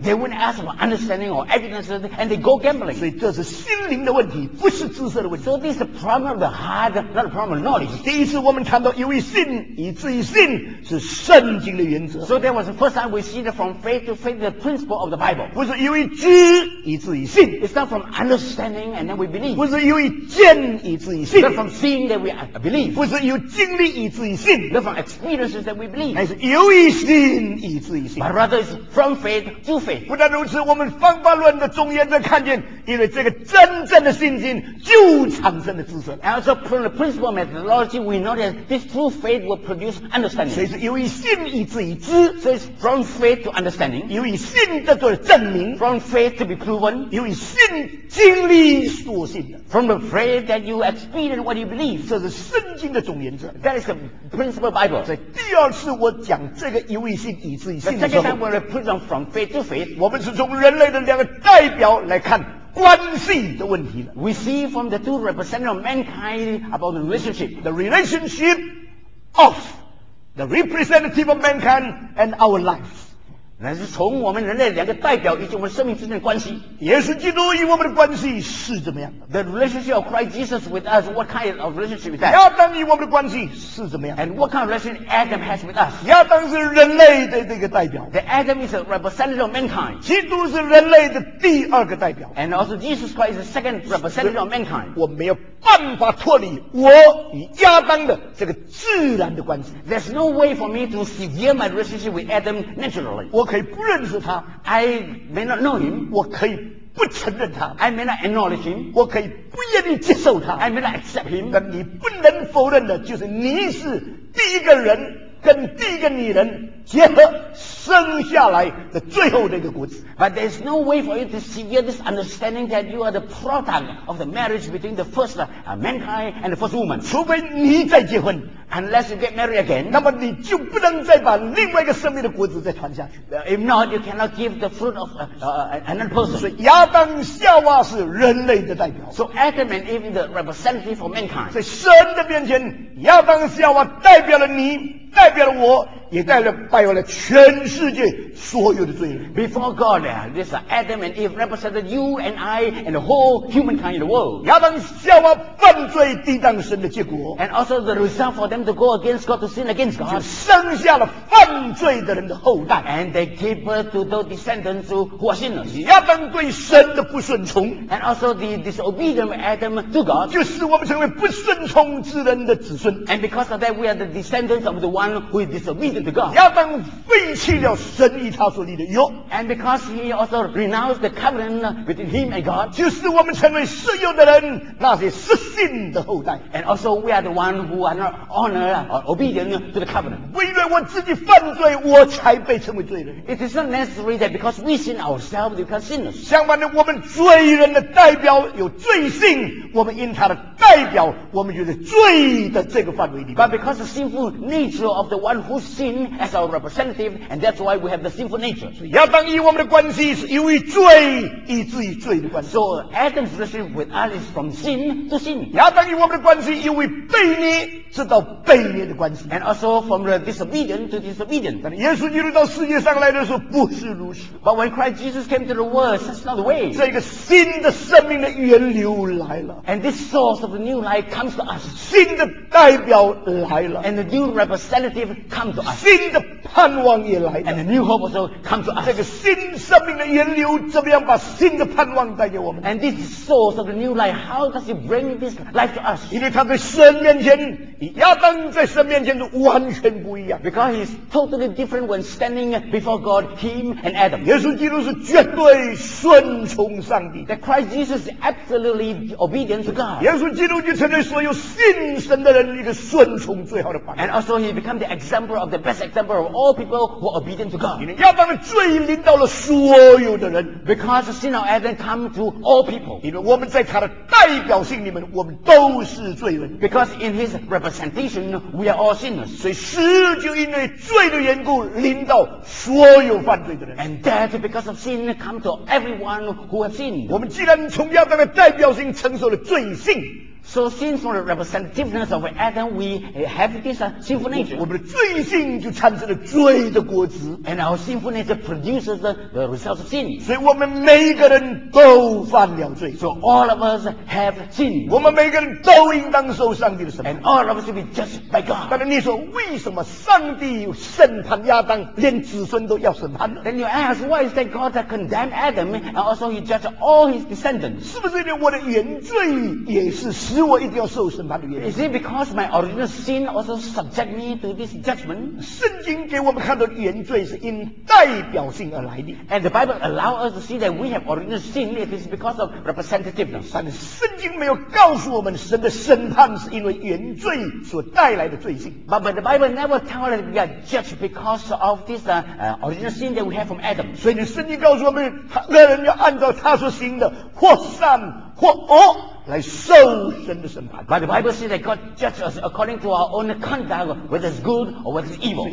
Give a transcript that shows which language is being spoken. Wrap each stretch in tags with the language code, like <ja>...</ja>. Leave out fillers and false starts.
<en>They won't ask for understanding or evidence, and they go gambling.</en> <zh>所以这是心灵的问题，不是知识的问题。</zh> <en>So this is a problem of the heart, not a problem of knowledge.</en> <zh>第一次我们谈到由于信以至于信是圣经的原则。</zh> <en>So that was the first time we see it from faith to faith, the principle of the Bible.</en> <zh>不是由于知以至于信。</zh> <en>It's not from understanding and then we believe.</en> <zh>不是由于见以至于信。</zh> <en>Not from seeing that we believe.</en> <zh>不是由经历以至于信。</zh> <en>Not from experiences that we believe.</en> <zh>乃是由于信以至于信。</zh> <en>But rather, it's from faith to faith.</en> <zh>不但如此，我们方法论的中原则看见，因为这个真正的信心就产生了知识。</zh> <en>And also from the principle methodology, we know that this true faith will produce understanding.</en> <zh>所以是由于信以至于知。</zh> <en>So it's from faith to understanding,</en> <zh>由于信得到证明</zh> <en>from faith to be proven,</en> <zh>由于信经历所信的</zh> <en>from the faith that you experience what you believe,</en> <zh>这是圣经的总原则</zh> <en>that is the principle of Bible.</en> <zh>在第二次我讲这个由于信以至于信的时候</zh> <en>the second time we preach on from faith to faith,</en> <zh>我们是从人类的两个代表来看关系的问题了</zh> <en>we see from the two representatives of mankind about the relationship, the relationship of the representative of mankind and our lives.</en> <zh>那是从我们人类两个代表以及我们生命之间的关系。耶稣基督与我们的关系是怎么样的</zh> <en>？The relationship of Christ Jesus with us, what kind of relationship is that?</en> <zh>亚当与我们的关系是怎么样</zh> <en>？And what kind of relationship Adam has with us?</en> <zh>亚当是人类的这个代表。</zh> <en>The Adam is a representative of mankind.</en> <zh>基督是人类的第二个代表。</zh> <en>And also Jesus Christ is the second representative of mankind.</en> <zh>我没有办法脱离我与亚当的这个自然的关系。</zh> <en>There's no way for me to severe my relationship with Adam naturally.</en> <zh>我可以不认识他</zh> <en>I may not know him</en> <zh>我可以不承认他</zh> <en>I may not acknowledge him</en> <zh>我可以不愿意接受他</zh> <en>I may not accept him</en> <zh>但你不能否认的就是你是第一个人跟第一个女人结合生下来的最后那个果子</zh> <en>But there is no way for you to severe this understanding that you are the product of the marriage between the first mankind and the first woman</en> <zh>除非你再结婚</zh> <en>Unless you get married again,</en> <zh>那么你就不能再把另外一个生命的果子再传下去。</zh> <en>If not, you cannot give the fruit of another person.</en> <zh>所以亚当夏娃是人类的代表。</zh> <en>So Adam and Eve is the representative for mankind.</en> <zh>在神的面前，亚当夏娃代表了你，代表了我。也带了败坏了全世界所有的罪人。</zh> <en>Before God, this Adam and Eve represented you and I and the whole humankind in the world.</en> <zh>亚当夏娃犯罪抵挡神的结果。</zh> <en>And also the result for them to go against God, to sin against God.</en> <zh>就生下了犯罪的人的后代。</zh> <en>And they gave birth to those descendants who are sinners.</en> <zh>亚当对神的不顺从。</zh> <en>And also the disobedient Adam to God.</en> <zh>就使我们成为不顺从之人的子孙。</zh> <en>And because of that, we are the descendants of the one who is disobedient.</en> <zh>亚当废弃了神与他所立的约。</zh> <en>And because he also renounced the covenant between him and God.</en> <zh>就是我们成为世有的人，那些失信的后代。</zh> <en>And also we are the one who are not honored or obedient to the covenant.</en> <zh>我以为我自己犯罪，我才被称为罪人。</zh> <en>It is not necessary that because we sin ourselves, we become sinners.</en> <zh>相反的，我们罪人的代表有罪性，我们因他的代表，我们就在罪的这个范围里。</zh> <en>But because the sinful nature of the one whoSin as our representative, and that's why we have the sinful nature. So Adam's relationship with us is from sin to sin. And also from the disobedient to disobedient. But when Christ Jesus came to the world, that's not the way. And this source of the new life comes to us. And the new representative comes to us.</en> <zh>新的盼望也来</zh> <en>了 and a new hope also comes to us.</en> <zh>这个新生命的源流怎么样把新的盼望带给我们</zh> <en>and this source of the new life how does it bring this life to us</en> <zh>因为他在神面前亚当在神面前就完全不一样</zh> <en>because he's totally different when standing before God him and Adam</en> <zh>耶稣基督是绝对顺从上帝</zh> <en>that Christ Jesus is absolutely obedient to God</en> <zh>耶稣基督就成为所有信神的人一个顺从最好的榜</zh> <en>and also he become the example of the best example of all people who are obedient to God.</en> <zh>亚当的罪临到了所有的人</zh> <en>because the sin of Adam come to all people.</en> <zh>因为我们在他的代表性里面，我们都是罪人</zh> <en>because in his representation, we are all sinners.</en> <zh>所以死就因为罪的缘故临到所有犯罪的人</zh> <en>and death because of sin come to everyone who has sinned.</en> <zh>我们既然从亚当的代表性承受了罪性</zh> <en>So since from the representativeness of Adam, we have this sinful nature.</en> <zh>我们的罪性就产生了罪的果子。</zh> <en>And our sinful nature produces the results of sin.</en> <zh>所以我们每一个人都犯了罪。</zh> <en>So all of us have sin.</en> <zh>我们每一个人都应当受上帝的审判。</zh> <en>And all of us should be judged by God.</en> <zh>但是你说为什么上帝审判亚当，连子孙都要审判呢？</zh> <en>Then you ask, why is that God that condemned Adam and also he judged all his descendants?</en> <zh>是不是因为我的原罪也是神？使我一定要受审判的原因</zh> <en>Is it because my original sin also subject me to this judgment?</en> <zh>圣经给我们看到原罪是因代表性而来的</zh> <en>And the Bible allow us to see that we have original sin It is because of representativeness</en> <zh>但是圣经没有告诉我们神的审判是因为原罪所带来的罪性</zh> <en>But the Bible never tells us that we are judged because of this original sin that we have from Adam</en> <zh>所以圣经告诉我们那人要按照他所行的或善或恶来受神的审判。</zh> <en>But the Bible says that God judges us according to our own conduct, whether it's good or whether it's evil.</en>